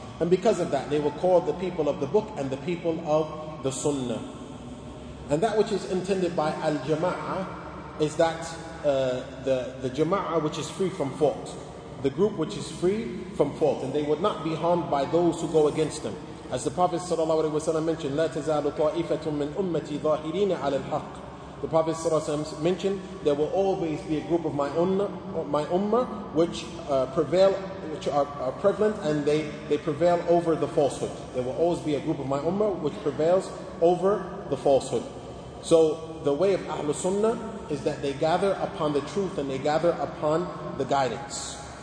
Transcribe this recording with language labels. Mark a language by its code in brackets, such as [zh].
[en] And because of that, they were called the people of the book and the people of the Sunnah. And that which is intended by al-jama'a is that the jama'a which is free from fault. The group which is free from fault, and they would not be harmed by those who go against them. As the Prophet sallallahu alaihi wasallam mentioned, [ar] لا تزال طائفة من أمتي ظاهرين على الحق. [en] The Prophet sallallahu alaihi wasallam mentioned, there will always be a group of my ummah which are prevalent and they prevail over the falsehood. There will always be a group of my ummah which prevails over the falsehood. So the way of Ahlul Sunnah is that they gather upon the truth and they gather upon the guidance.